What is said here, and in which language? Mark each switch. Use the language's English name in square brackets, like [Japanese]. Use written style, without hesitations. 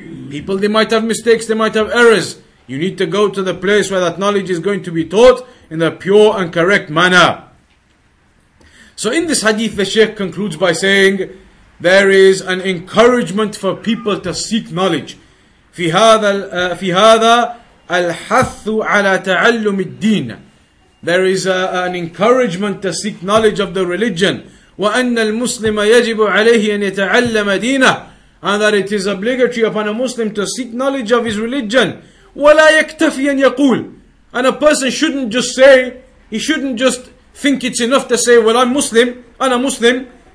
[English] People, they might have mistakes, they might have errors. You need to go to the place where that knowledge is going to be taught in a pure and correct manner. So in this hadith, the Shaykh concludes by saying, there is an encouragement for people to seek knowledge. [Arabic] في هذا الحث على تعلم الدين. [English] There is an encouragement to seek knowledge of the religion. [Arabic] وَأَنَّ الْمُسْلِمَ يَجِبُ عَلَيْهِ أَنْ يَتَعَلَّمَ دِينَهِ. [English] And that it is obligatory upon a Muslim to seek knowledge of his religion. [Arabic] وَلَا يَكْتَفِي أَنْ يَقُولُ. [English] And a person shouldn't just say, he shouldn't just think it's enough to say, well, I'm a Muslim.